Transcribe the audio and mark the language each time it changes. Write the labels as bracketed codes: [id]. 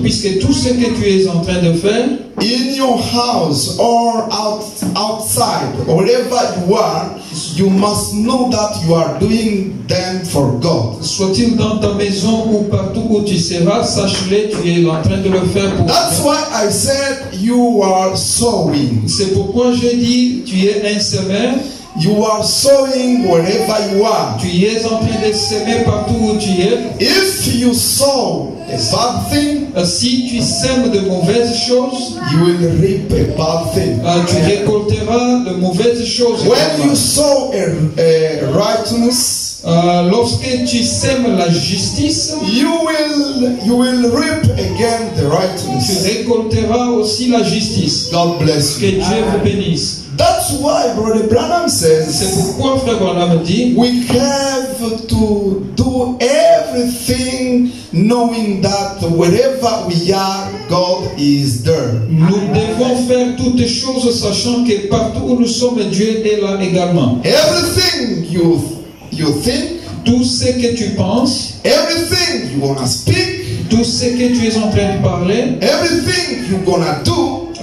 [fr] Puisque tout ce que tu es en train de faire. [en] In your house or outside, wherever you are, you must know that you are doing them for God. [fr] Soit-il dans ta maison ou partout où tu seras, sache-le, tu es en train de le faire pour. [en] That's why I said you are sowing. [fr] C'est pourquoi je dis tu es un semeur. [en] You are sowing wherever you are. [fr] Tu es en train de semer partout où tu es. [en] If you sow a bad thing, [fr] si tu sèmes de mauvaises choses, [en] you will reap a bad thing. [fr] Tu récolteras de mauvaises choses. [en] When you sow a righteousness, [fr] lorsque tu sèmes la justice, [en] you will reap again the righteousness. [fr] Tu récolteras aussi la justice. [en] God bless you. [fr] Que Dieu vous bénisse. [en] That's why Brother Branham says. [fr] C'est pourquoi Frère Branham dit. [en] We have to do everything, knowing that wherever we are, God is there. [fr] Nous devons faire toutes choses, sachant que partout où nous sommes, Dieu est là également. [en] Everything you think. [fr] Tout ce que tu penses. [en] Everything you wanna speak. [fr] tout ce que tu es en train de parler, [en] everything you're gonna do,